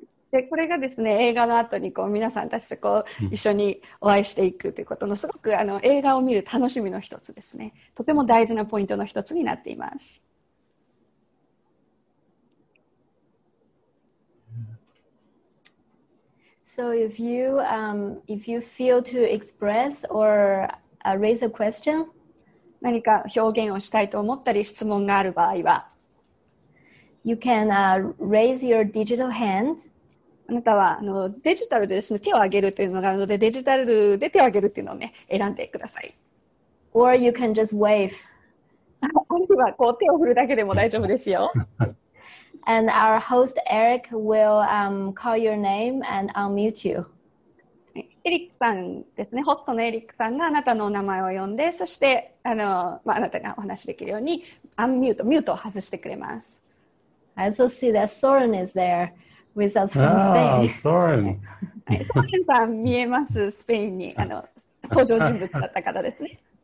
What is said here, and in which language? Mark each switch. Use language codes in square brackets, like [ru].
[ja] で、これがですね、映画の後にこう皆さんたちとこう一緒にお会いしていくということの、すごく映画を見る楽しみの一つですね。とても大事なポイントの一つになっています。 [en] So if you feel to express or raise a question, [ja] 何か表現をしたいと思ったり、質問がある場合は、 [en] You can raise your digital hand. [ja] あなたはデジタルでですね、手を挙げるというのがあるので、デジタルで手を挙げるというのをね、選んでください。 [en] Or you can just wave. [ja] あるいはこう手を振るだけでも大丈夫ですよ。 [en] And our host Eric will call your name and unmute you. [ja] エリックさんですね、ホストのエリックさんがあなたのお名前を呼んで、そして まあ、あなたがお話しできるようにアンミュート、ミュートを外してくれます。 [en] I also see that Soren is there with us from Spain. Ah, Soren. [ja] Soren さん見えます、スペインに登場人物だった方ですね。